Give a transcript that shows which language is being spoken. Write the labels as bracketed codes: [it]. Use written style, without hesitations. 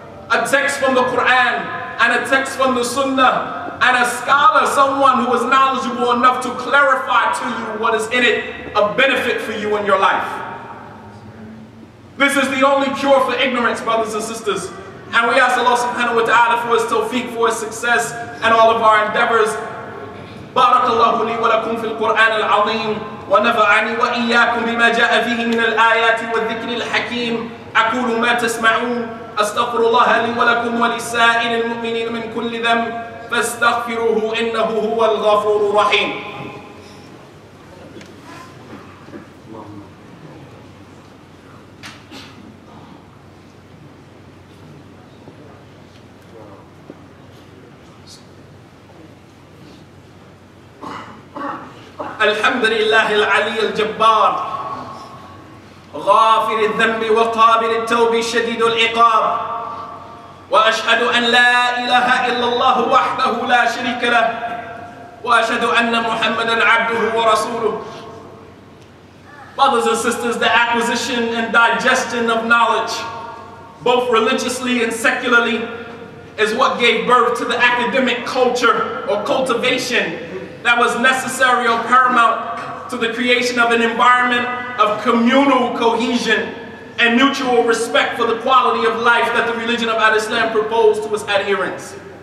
[en] A text from the Quran, and a text from the Sunnah, and a scholar, someone who is knowledgeable enough to clarify to you what is in it, a benefit for you in your life. This is the only cure for ignorance, brothers and sisters. And we ask Allah subhanahu wa ta'ala for his tawfiq, for his success, and all of our endeavors. [ar] بارك الله لي ولكم في القرآن العظيم ونفعني وإياكم بما جاء فيه من الآيات والذكر الحكيم أقول ما تسمعون أستغفر الله لي ولكم ولسائر المؤمنين من كل ذنب فاستغفروه إنه هو الغفور الرحيم. الحمد لله العلي الجبار غافر الذنب وقابل التوب شديد العقاب وأشهد أن لا إله إلا الله وحده لا شريك له وأشهد أن محمدا عبده ورسوله. [en] Brothers and sisters, the acquisition and digestion of knowledge, both religiously and secularly, is what gave birth to the academic culture or cultivation that was necessary or paramount to the creation of an environment of communal cohesion and mutual respect for the quality of life that the religion of Al-Islam proposed to its adherents.